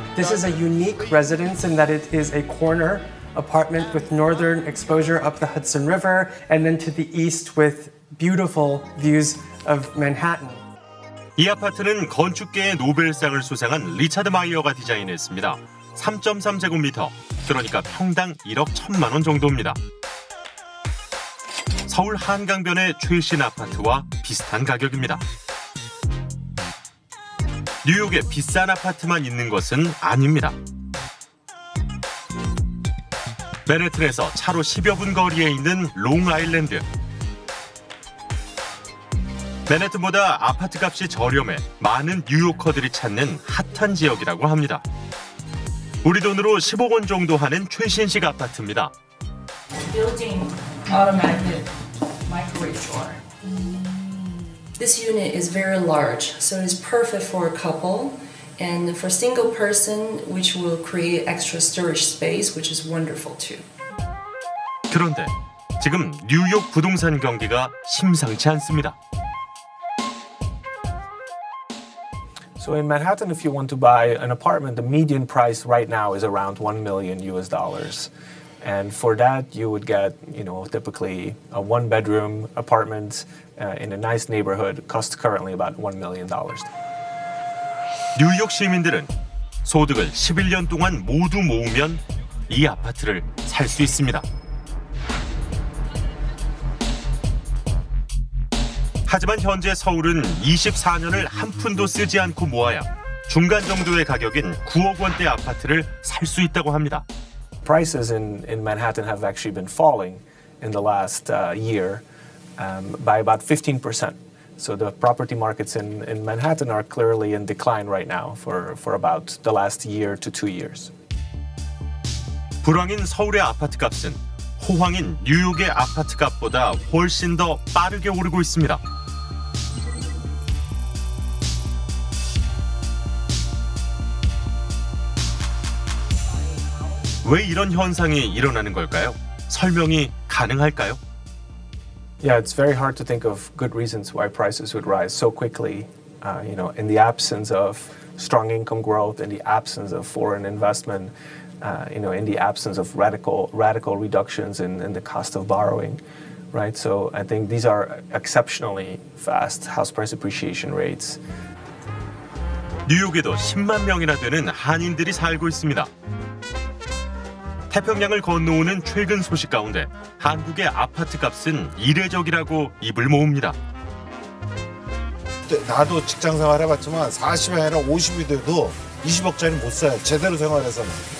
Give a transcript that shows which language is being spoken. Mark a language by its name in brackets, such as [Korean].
[English] This is a unique residence in that it is a corner apartment with northern exposure up the Hudson River and then to the east with beautiful views of Manhattan. [Korean] 이 아파트는 건축계의 노벨상을 수상한 리차드 마이어가 디자인했습니다. 3.3제곱미터, 그러니까 평당 1억 1천만 원 정도입니다. 서울 한강변의 최신 아파트와 비슷한 가격입니다. 뉴욕에 비싼 아파트만 있는 것은 아닙니다. 맨해튼에서 차로 10여 분 거리에 있는 롱아일랜드. 맨해튼보다 아파트 값이 저렴해 많은 뉴요커들이 찾는 핫한 지역이라고 합니다. 우리 돈으로 15억 원 정도 하는 최신식 아파트입니다. [English] Building automatic microwave drawer. This unit is very large, so it is perfect for a couple and for a single person, which will create extra storage space, which is wonderful too. [Korean] 그런데 지금 뉴욕 부동산 경기가 심상치 않습니다. [English] So in Manhattan, if you want to buy an apartment, the median price right now is around $1 million. And for that, you would get, you know, typically a one-bedroom apartment in a nice neighborhood costs currently about $1 million. [Korean] 뉴욕 시민들은 소득을 11년 동안 모두 모으면 이 아파트를 살 수 있습니다. 하지만 현재 서울은 24년을 한 푼도 쓰지 않고 모아야 중간 정도의 가격인 9억 원대 아파트를 살 수 있다고 합니다. [English] Prices in Manhattan have actually been falling in the last year by about 15%. So the property markets in Manhattan are clearly in decline right now for about the last year to two years. [Korean] 불황인 서울의 아파트 값은 호황인 뉴욕의 아파트 값보다 훨씬 더 빠르게 오르고 있습니다. 왜 이런 현상이 일어나는 걸까요? 설명이 가능할까요? [English] Yeah, it's very hard to think of good reasons why prices would rise so quickly. You know, in the absence of strong income growth, in the absence of foreign investment, you know, in the absence of radical reductions in the cost of borrowing, right? So I think these are exceptionally fast house price appreciation rates. [Korean] 뉴욕에도 10만 명이나 되는 한인들이 살고 있습니다. 태평양을 건너오는 최근 소식 가운데 한국의 아파트 값은 이례적이라고 입을 모읍니다. 나도 직장 생활 해봤지만 40이 아니라 50이 돼도 20억짜리 못 사요. 제대로 생활해서는.